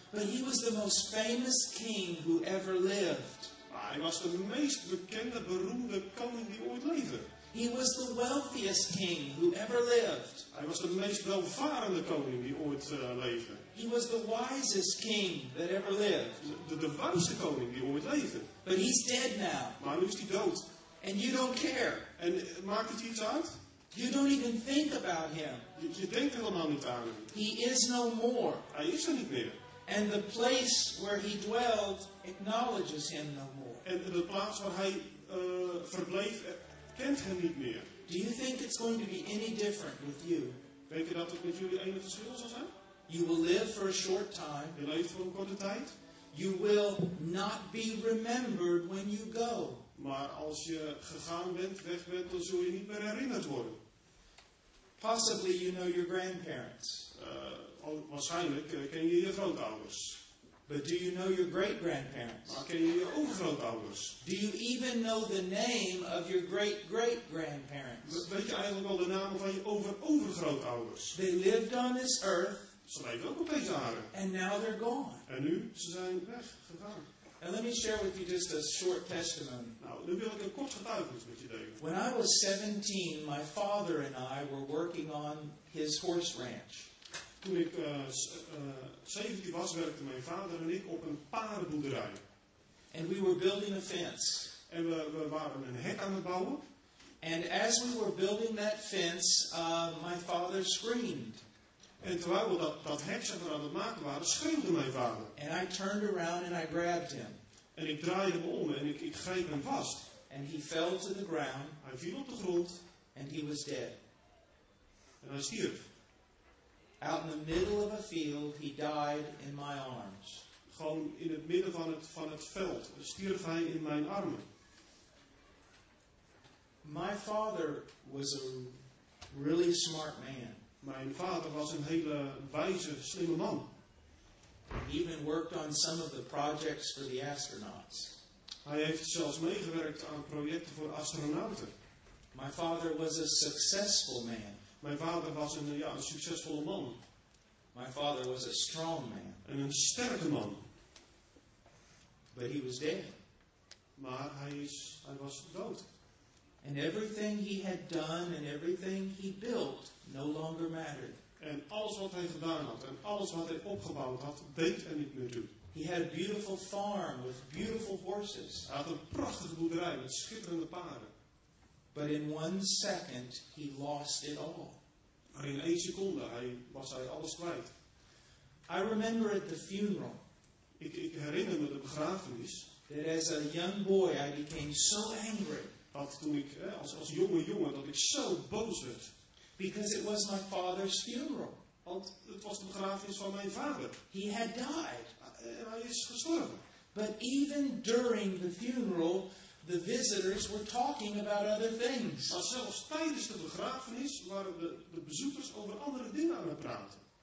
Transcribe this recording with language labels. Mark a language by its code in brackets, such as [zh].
[en] But he was the most famous king who ever lived. [nl] Maar hij was de meest bekende, beroemde koning die ooit leefde. [en] He was the wealthiest king who ever lived. [nl] Hij was de meest welvarende koning die ooit leefde. [en] He was the wisest king that ever lived. [nl] De wijste koning die ooit leefde. [en] But he's dead now. [nl] Maar nu is hij dood. [en] And you don't care. [nl] En maakt het iets uit? [en] You don't even think about him. [nl] Je denkt helemaal niet aan hem. [en] He is no more. [nl] Hij is er niet meer. [en] And the place where he dwelled acknowledges him no more. [nl] En de plaats waar hij verbleef kent hem niet meer. [en] Do you think it's going to be any different with you? [nl] Denk je dat het met jullie enig verschil zal zijn? [en] You will live for a short time. [nl] Je leeft voor een korte tijd. [en] You will not be remembered when you go. [nl] Maar als je gegaan bent, weg bent, dan zul je niet meer herinnerd worden. [en] Possibly you know your grandparents. [nl] waarschijnlijk ken je je grootouders. [en] But do you know your great grandparents? [nl] Maar ken je je overgrootouders? [en] Do you even know the name of your great great grandparents? [nl] Weet je eigenlijk al de namen van je overgrootouders? [en] They lived on this earth. [nl] Ze leven ook op deze aarde. [en] And now they're gone. [nl] En nu ze zijn weggegaan. [en] And let me share with you just a short testimony. [nl] Nou, nu wil ik een kort getuigenis met je delen. [en] When I was 17, my father and I were working on his horse ranch. [nl] Toen ik 17 was, werkte mijn vader en ik op een paardenboerderij. [en] And we were building a fence. [nl] En we waren een hek aan het bouwen. [en] And as we were building that fence, my father screamed. [nl] En terwijl we dat hek zeg maar aan het maken waren, schreeuwde mijn vader. [en] And I turned around and I grabbed him. [nl] En ik draaide me om en ik greep hem vast. [en] And he fell to the ground. [nl] Hij viel op de grond. [en] And he was dead. [nl] En hij stierf. [en] Out in the middle of a field, he died in my arms. [nl] Gewoon in het midden van het veld stierf hij in mijn armen. [en] My father was a really smart man. [nl] Mijn vader was een hele wijze, slimme man. [en] He even worked on some of the projects for the astronauts. [nl] Hij heeft zelfs meegewerkt aan projecten voor astronauten. [en] My father was a successful man. [nl] Mijn vader was een succesvolle man. [en] My father was a strong man. [nl] En een sterke man. [en] But he was dead. [nl] Maar hij was dood. [en] And everything he had done and everything he built no longer mattered. [nl] En alles wat hij gedaan had en alles wat hij opgebouwd had, deed er niet meer toe. [en] He had a beautiful farm with beautiful horses. [nl] Hij had een prachtige boerderij met schitterende paarden. [en] But in one second he lost it all. [nl] Maar in één seconde was hij alles kwijt. [en] I remember at the funeral. [nl] Ik herinner me de begrafenis. [en] That as a young boy I became so angry. [nl] Dat toen ik als jonge jongen dat ik zo boos werd. [en] Because it was my father's funeral. [nl] Want het was de begrafenis van mijn vader. [en] He had died. [nl] En hij is gestorven. [en] But even during the funeral, the visitors were talking about other things. [nl] Maar zelfs tijdens de begrafenis waren de bezoekers over andere dingen aan het praten.